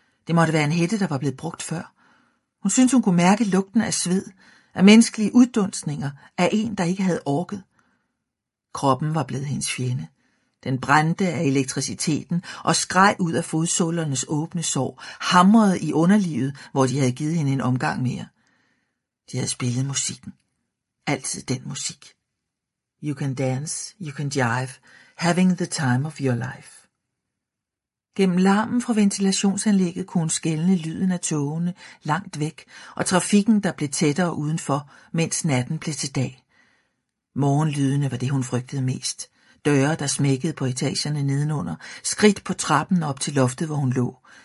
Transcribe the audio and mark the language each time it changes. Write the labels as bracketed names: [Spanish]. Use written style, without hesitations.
[Danish] Det måtte være en hætte, der var blevet brugt før. Hun syntes, hun kunne mærke lugten af sved, af menneskelige uddunstninger, af en, der ikke havde orket. Kroppen var blevet hendes fjende. Den brændte af elektriciteten og skreg ud af fodsålernes åbne sår, hamrede i underlivet, hvor de havde givet hende en omgang mere. De havde spillet musikken. Altid den musik. [English] You can dance, you can jive, having the time of your life. [Danish] Gennem larmen fra ventilationsanlægget kunne hun skelne lyden af togene langt væk, og trafikken, der blev tættere udenfor, mens natten blev til dag. Morgenlydene var det, hun frygtede mest. Døre, der smækkede på etagerne nedenunder, skridt på trappen op til loftet, hvor hun lå.